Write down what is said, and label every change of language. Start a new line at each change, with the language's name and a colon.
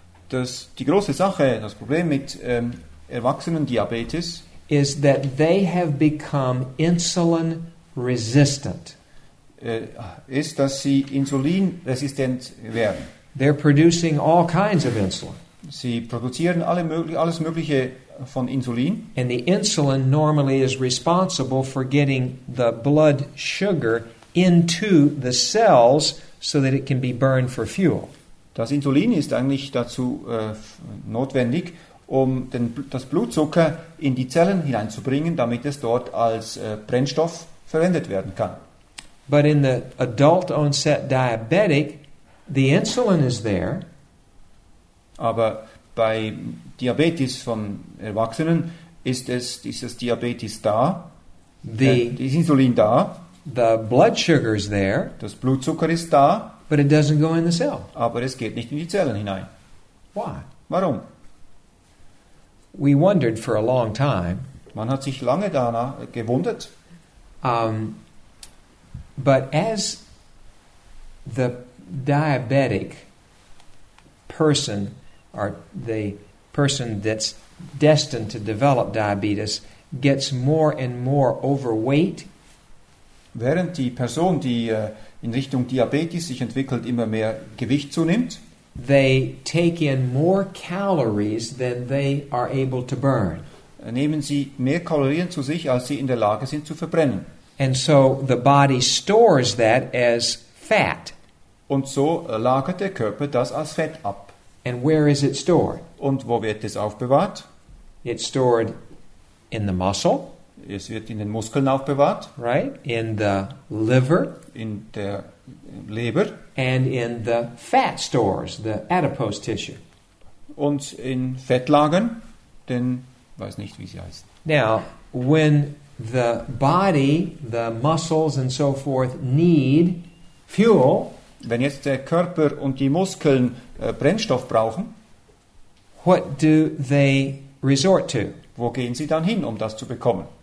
German: Die große Sache, das Problem mit erwachsenen Diabetes
English: is that they have become insulin resistant.
German: Ist, dass sie insulinresistent werden.
English: They're producing all kinds of insulin.
German: Sie produzieren alles Mögliche von Insulin.
English: And the insulin normally is responsible for getting the blood sugar into the cells so that it can be burned for fuel.
German: Das Insulin ist eigentlich dazu notwendig, um das Blutzucker in die Zellen hineinzubringen, damit es dort als Brennstoff verwendet werden kann.
English: But in the adult onset diabetic, the insulin is there.
German: Aber bei Diabetes von Erwachsenen ist das Diabetes da, ist Insulin da.
English: The blood sugar is there.
German: Das Blutzucker ist da.
English: But it doesn't go in the cell.
German: Aber es geht nicht in die Zellen hinein.
English: Why?
German: Warum?
English: We wondered for a long time.
German: Man hat sich lange danach gewundert.
English: But as the diabetic person, or the person that's destined to develop diabetes, gets more and more overweight.
German: Während die Person, die in Richtung Diabetes sich entwickelt, immer mehr Gewicht zunimmt.
English: They take in more calories than they are able to burn.
German: Nehmen sie mehr Kalorien zu sich, als sie in der Lage sind zu verbrennen.
English: And so the body stores that as fat.
German: Und so lagert der Körper das als Fett ab.
English: And where is it stored?
German: Und wo wird es aufbewahrt?
English: It's stored in the muscle.
German: Es wird in den Muskeln aufbewahrt.
English: Right? In the liver.
German: In der Leber.
English: And in the fat stores, the adipose tissue.
German: Und in Fettlagern, den weiß nicht, wie sie heißt.
English: Now, when the body, the muscles and so forth need fuel.
German: Wenn jetzt der Körper und die Muskeln Brennstoff brauchen,
English: what do they resort to?
German: Wo gehen sie dann hin, um das zu bekommen?